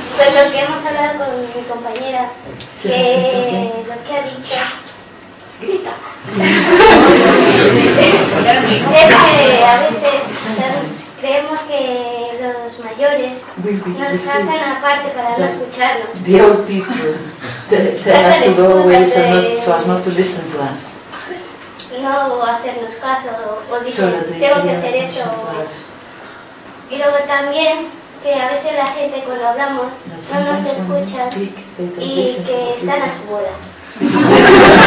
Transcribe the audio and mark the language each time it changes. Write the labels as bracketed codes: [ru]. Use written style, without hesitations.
[es] Pues lo que hemos hablado con mi compañera, sí, que lo que ha dicho... Grita. Es que a veces... Creemos que los mayores nos sacan aparte para no escucharlos. [en] The old people tell us to go away so as not to listen to us. [es] No hacernos caso o dicen, tengo que hacer eso. Y luego también que a veces la gente cuando hablamos no nos escucha y que están a su bola.